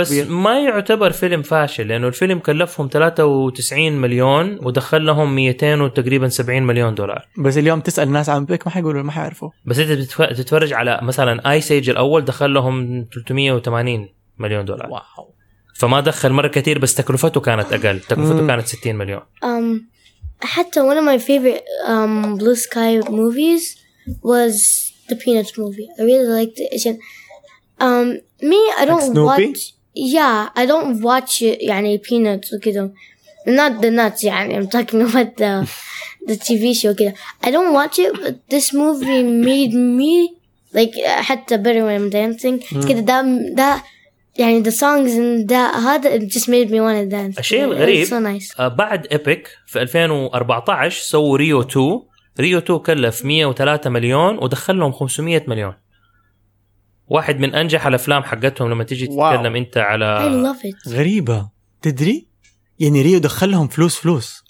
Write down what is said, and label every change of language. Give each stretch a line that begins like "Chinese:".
Arabic: بس كبير. ما يعتبر فيلم فاشل لأنه الفيلم كلفهم 93 مليون ودخل لهم 200 وتقريبا 70 مليون دولار. بس اليوم تسأل الناس عن بيك ما حيقولوا ما حيعرفوا. بس أنت تتفرج على مثلا آيس إيج الأول دخل لهم 380 مليون دولار. واو. فما دخل مرة كثير بس تكلفته كانت أقل، تكلفته كانت 60 مليون.
English: حتى one of my favorite blue sky movies was the Peanuts movie. I really liked it. Me, I don't like watch. Yeah, I don't watch يعني Peanuts وكده. Not the nuts يعني. I'm talking about the TV show كده. I don't watch it, but this movie made me like حتى better when I'm dancing. كده that يعني the songs and that هذا just made me want to dance.
Arabic: الشيء الغريب so nice. بعد إيبك في 2014 سووا ريو 2. ريو 2 كلف 103 مليون ودخل لهم 500 مليون، واحد من أنجح الأفلام حقتهم لما تيجي تتكلم. واو. أنت على
English: I love it.
Arabic: غريبة تدري يعني ريو دخل لهم فلوس فلوس.